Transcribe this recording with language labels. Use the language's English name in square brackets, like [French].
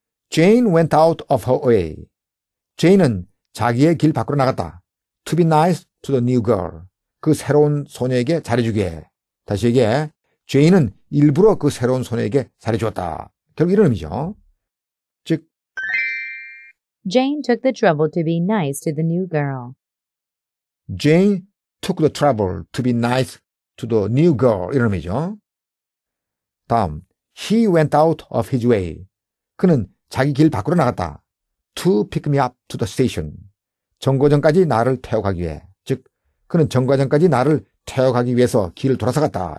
[English] Jane went out of her way. [Korean] Jane은 자기의 길 밖으로 나갔다. [English] To be nice to the new girl. [Korean] 그 새로운 소녀에게 잘해주기에. 다시 얘기해. Jane은 일부러 그 새로운 소녀에게 잘해주었다. 결국 이런 의미죠. [English] Jane took the trouble to be nice to the new girl. Jane took the trouble to be nice to the new girl. [Korean] 이런 의미죠. 다음, [English] he went out of his way. [Korean] 그는 자기 길 밖으로 나갔다. [English] To pick me up to the station. [Korean] 정거장까지 나를 태워가기 위해. 즉, 그는 정거장까지 나를 태워가기 위해서 길을 돌아서 갔다.